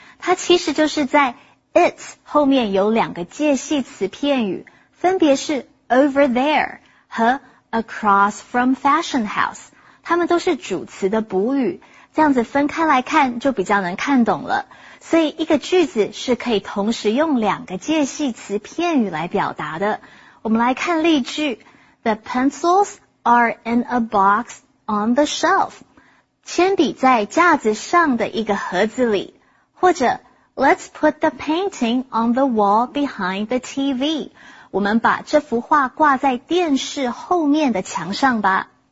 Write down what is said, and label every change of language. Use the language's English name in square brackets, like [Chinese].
[Chinese] 它其实就是在 it 后面有两个介系词片语,分别是 over there 和 [English] across from Fashion House。 [Chinese] 它们都是主词的补语,这样子分开来看就比较能看懂了。所以一个句子是可以同时用两个介系词片语来表达的。我们来看例句。 [English] The pencils are in a box on the shelf. [Chinese] 铅笔在架子上的一个盒子里。 [English] 或者 ,let's put the painting on the wall behind the TV. [Chinese] 我们把这幅画挂在电视后面的墙上吧。